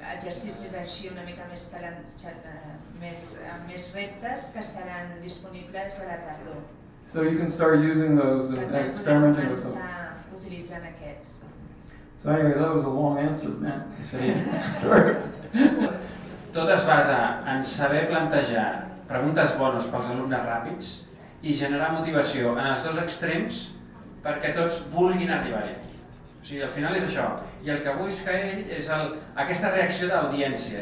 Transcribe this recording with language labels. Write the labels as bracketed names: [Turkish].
[Catalan] Exercicis així una mica més més reptes que estaran disponibles a la tardor. [English] So you can start using those and experimenting with them. [Catalan] Utilitzant aquests. [English] So anyway, that was a long answer, man. Sí. Sorry. [Catalan] Tot es basa en saber plantejar preguntes bones pels alumnes ràpids i generar motivació en els dos extrems perquè tots vulguin arribar-hi. O sigui, al final és això. I el que vull que ell és aquesta reacció d'audiència.